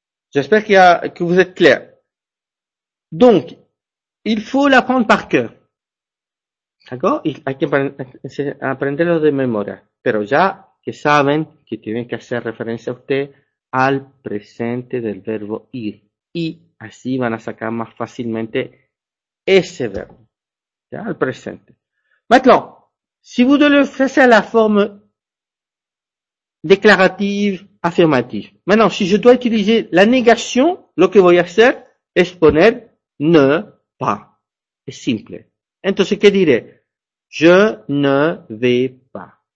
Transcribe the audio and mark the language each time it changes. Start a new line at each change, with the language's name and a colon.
French: J'espère que vous êtes clair. Donc, il faut l'apprendre par cœur. D'accord? Il faut apprendre de mémoire.
Spanish: Pero ya que saben que tienen que hacer referencia a usted al presente del verbo ir. Y así van a sacar más fácilmente ese verbo. Ya, al presente.
French: Maintenant, Si vous devez le faire, c'est la forme déclarative, affirmative. Maintenant, si je dois utiliser la négation,
Spanish: lo que voy a hacer, es poner,
French: ne, pas. C'est simple.
Spanish: Entonces, que diré?
French: Je ne vais pas.